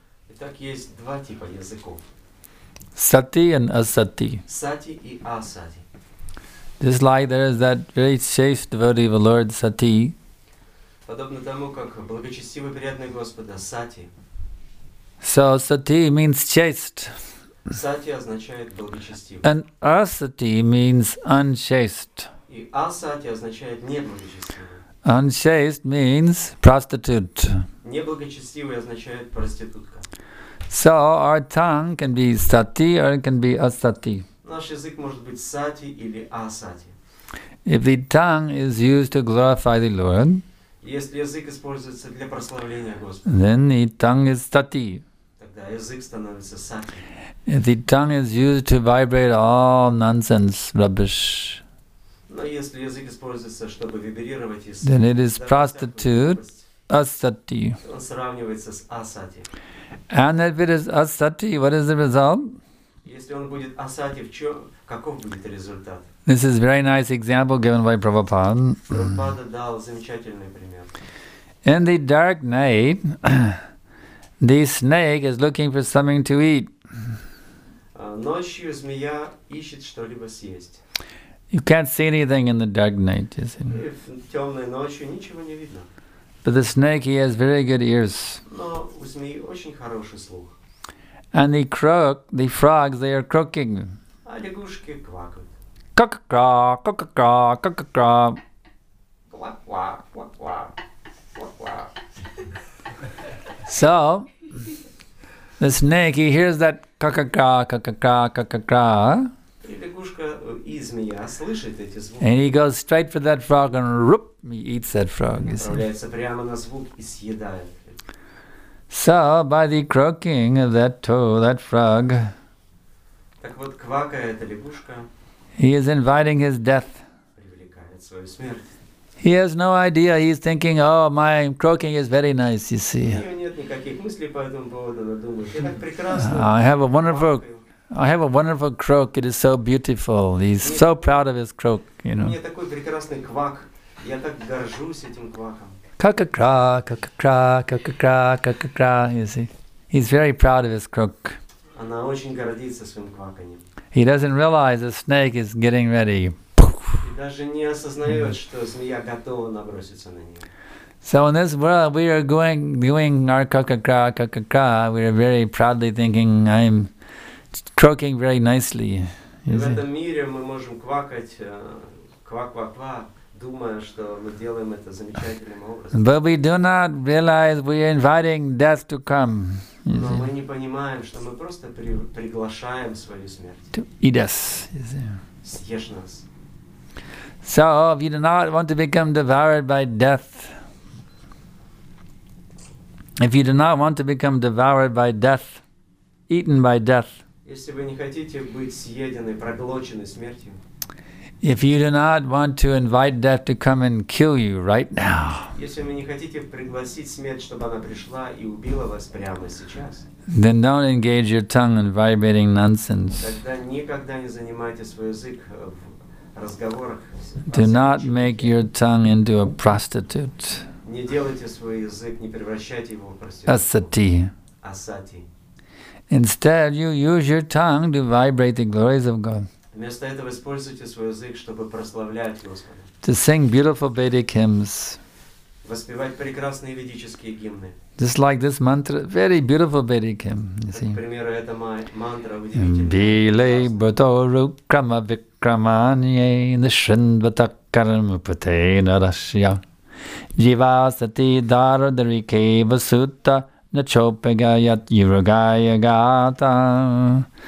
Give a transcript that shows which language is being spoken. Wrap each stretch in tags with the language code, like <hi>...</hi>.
<ru>Итак, есть два типа языков.</ru> <en>Сати and асати.</en> <ru>Сати и асати.</ru> <en>Just like there is that very chaste devotee of the Lord, Sati.</en> <ru>Подобно тому, как благочестивый преданный Господа, Сати.</ru> <en>So Sati means chaste.</en> <ru>Сати означает благочестивый.</ru> <en>And Асати means unchaste.</en> <ru>И Асати означает неблагочестивый.</ru> <en>Unchaste means prostitute.</en> <ru>Неблагочестивый означает проститутка.</ru> <en>So our tongue can be Sati or it can be Асати.</en> <ru>Наш язык может быть сати или асати.</ru> <en>If the tongue is used to glorify the Lord,</en> <ru>Если язык используется для прославления Господа,</ru> <en>then the tongue is sati.</en> <ru>Тогда язык становится сати.</ru> <en>The tongue is used to vibrate all nonsense, rubbish.</en> <ru>Но если язык используется, чтобы вибрировать,</ru> <en>then it is prostitute, asati.</en> <ru>Он сравнивается с асати.</ru> <en>And if it is asati, what is the result?</en> <ru>Если он будет асати, в чем, каков будет результат?</ru> <en>This is a very nice example given by Prabhupada.</en> <ru>Prabhupada дал замечательный пример.</ru> <en>In the dark night, the snake is looking for something to eat.</en> <ru>Ночью змея ищет что-либо съесть.</ru> <en>You can't see anything in the dark night, you see.</en> <ru>В темной ночью ничего не видно.</ru> <en>But the snake, he has very good ears.</en> <ru>Но у змеи очень хороший слух.</ru> <en>And the croak, the frogs, they are croaking.</en> <ru>А лягушки квакают. Ка-ка-кра, ка-ка-кра, ка-ка-кра. Ква-ква, ква-ква, ква-ква.</ru> <en>So, the snake, he hears that ка-ка-кра, ка-ка-кра, ка-ка-кра.</en> <ru>И лягушка, и змея слышит эти звуки.</ru> <en>And he goes straight for that frog and roop, he eats that frog.</en> <ru>И направляется прямо на звук и съедает.</ru> <en>So, by the croaking of that toad, that frog,</en> <ru>так вот, квакая эта лягушка,</ru> <en>he is inviting his death.</en> <ru>Привлекает свою смерть.</ru> <en>He has no idea. He is thinking, oh, my croaking is very nice, you see.</en> <ru>У него нет никаких мыслей по этому поводу, но думает, я так прекрасно.</ru> <en>I have a wonderful croak. It is so beautiful. He's so proud of his croak, you know.</en> <ru>У меня такой прекрасный квак. Я так горжусь этим кваком. Ка-ка-кра, ка-ка-кра, ка-ка-кра, ка-ка-кра, you see.</ru> <en>He's very proud of his croak.</en> <ru>Она очень гордится своим кваканьем.</ru> <en>He doesn't realize the snake is getting ready.</en> <ru>И даже не осознает, что змея готова наброситься на нее.</ru> <en>So in this world we are doing our ка-ка-кра, ка-ка-кра. We are very proudly thinking, I'm croaking very nicely.</en> <ru>И в этом мире мы можем квакать, ква-ква-ква.</ru> <en>But we do not realize we are inviting death to come.</en> <ru>Мы не понимаем, что мы просто приглашаем свою смерть.</ru> <en>To eat us.</en> <ru>Съешь нас.</ru> <en>So if you do not want to become devoured by death, if you do not want to become devoured by death, eaten by death.</en> <ru>Если вы не хотите быть съедены, проглочены смертью.</ru> <en>If you do not want to invite death to come and kill you right now,</en> <ru>если вы не хотите пригласить смерть, чтобы она пришла и убила вас прямо сейчас,</ru> <en>then don't engage your tongue in vibrating nonsense.</en> <ru>Тогда никогда не занимайте свой язык в разговорах.</ru> <en>Do not make your tongue into a prostitute.</en> <ru>Не делайте свой язык, не превращайте его в проститутку. Асати. Асати.</ru> <en>Instead, you use your tongue to vibrate the glories of God.</en> <ru>Вместо этого используйте свой язык, чтобы прославлять Господа.</ru> <en>To sing beautiful Vedic hymns.</en> <ru>Воспевать прекрасные ведические гимны.</ru> <en>Just like this mantra, very beautiful Vedic hymn, you see.</en> <ru>К примеру, эта мантра удивительная.</ru> <sa>Биле бутору крама викраманье нишинвата карма пате нарасья. Джива сати дару дарике васута начопегаят юругая гата.</sa>